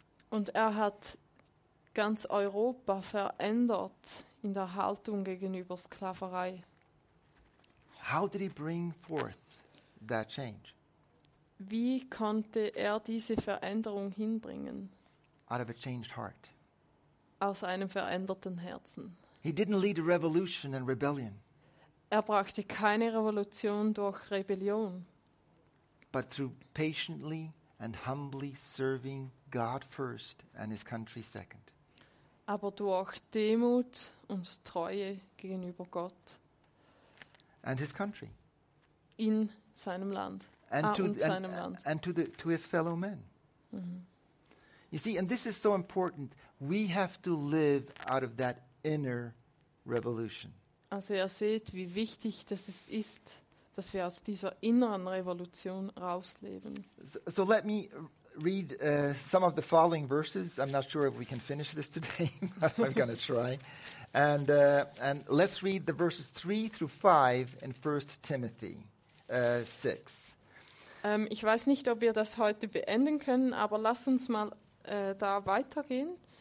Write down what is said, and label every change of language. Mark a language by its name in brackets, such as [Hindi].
[German] Und hat ganz Europa verändert in der Haltung gegenüber Sklaverei. [English] How did he bring forth that change? [German] Wie konnte diese Veränderung hinbringen? [English] Out of a changed heart. [German] Aus einem veränderten Herzen. [English] He didn't lead a revolution and rebellion. [German] Brachte keine Revolution durch Rebellion. [English] But through patiently and humbly serving God first and his country second. [German] Aber durch Demut und Treue gegenüber Gott. [English] And his country. [German] In seinem Land. [English] And to his fellow men. Mm-hmm. You see, and this is so important. We have to live out of that inner revolution. [German] Also ihr seht, wie wichtig das ist, dass wir aus dieser inneren Revolution rausleben. [English] So let me read some of the following verses. I'm not sure if we can finish this today, but I'm going to try. And let's read the verses 3 through 5 in 1 Timothy 6. [German] Ich weiß nicht, ob wir das heute beenden können, aber lass uns mal da weitergehen.